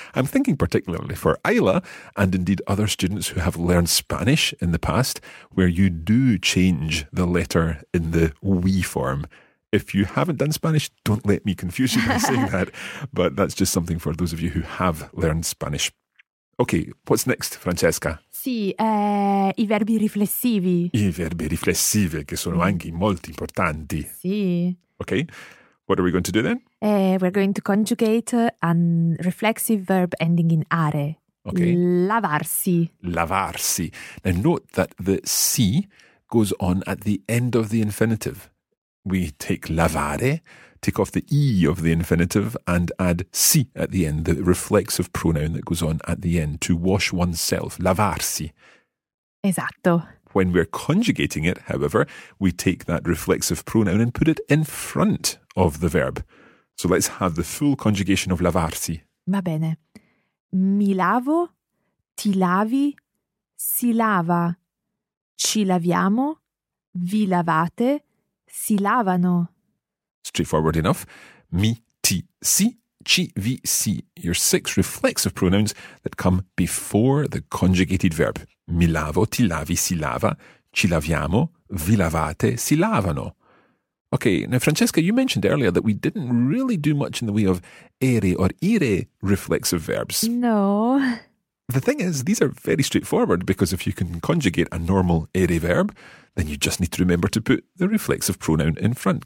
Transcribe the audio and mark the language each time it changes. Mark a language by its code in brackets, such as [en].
[en] I'm thinking particularly for Ayla and indeed other students who have learned Spanish in the past, where you do change the letter in the we form. If you haven't done Spanish, don't let me confuse you by saying that. But that's just something for those of you who have learned Spanish. Okay, what's next, Francesca? [it] Sì, i verbi riflessivi. I verbi riflessivi, che sono anche molto importanti. Sì. [en] Okay, what are we going to do then? We're going to conjugate a reflexive verb ending in are. Okay. [it] Lavarsi. Lavarsi. [en] Now note that the si goes on at the end of the infinitive. We take lavare, take off the e of the infinitive, and add si at the end, the reflexive pronoun that goes on at the end, to wash oneself, lavarsi. [it] Esatto. [en] When we're conjugating it, however, we take that reflexive pronoun and put it in front of the verb. So let's have the full conjugation of lavarsi. [it] Va bene. Mi lavo, ti lavi, si lava, ci laviamo, vi lavate, si lavano. [en] Straightforward enough. [it] Mi, ti, si, ci, vi, si. [en] Your six reflexive pronouns that come before the conjugated verb. [it] Mi lavo, ti lavi, si lava, ci laviamo, vi lavate, si lavano. [en] Okay, now Francesca, you mentioned earlier that we didn't really do much in the way of ere or ire reflexive verbs. No. The thing is, these are very straightforward because if you can conjugate a normal ere verb, then you just need to remember to put the reflexive pronoun in front.